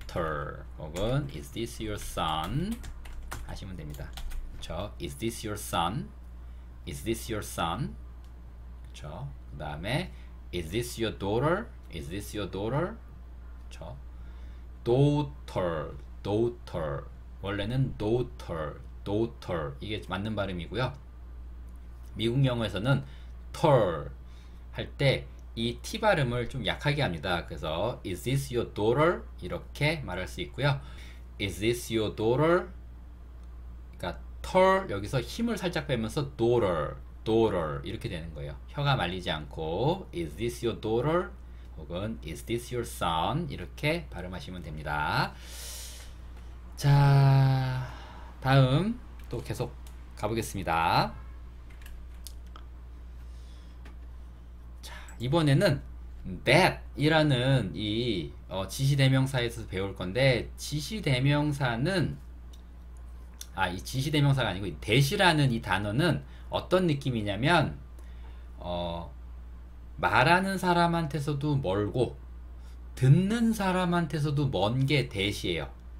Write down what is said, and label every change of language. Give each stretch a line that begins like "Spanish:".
English: daughter
Korean: 혹은
English: Is this your son?
Korean: 하시면 됩니다. 그렇죠.
English: Is this your son? Is this your son? 그렇죠.
Korean: 그 다음에
English: Is this your daughter? Is this your daughter?
Korean: 그렇죠. daughter daughter 원래는 daughter daughter 이게 맞는 발음이고요. 미국 영어에서는 ter 할 때 이 T 발음을 좀 약하게 합니다. 그래서
English: Is this your daughter?
Korean: 이렇게 말할 수 있고요.
English: Is this your daughter?
Korean: 그러니까 ter 여기서 힘을 살짝 빼면서 daughter, daughter 이렇게 되는 거예요. 혀가 말리지 않고
English: Is this your daughter?
Korean: 혹은
English: Is this your son?
Korean: 이렇게 발음하시면 됩니다. 자, 다음 또 계속 가보겠습니다. 이번에는 that 이라는 이 지시대명사에서 배울 건데 지시대명사는 이 지시대명사가 아니고 that이라는 이 단어는 어떤 느낌이냐면 말하는 사람한테서도 멀고 듣는 사람한테서도 먼 게 that이에요.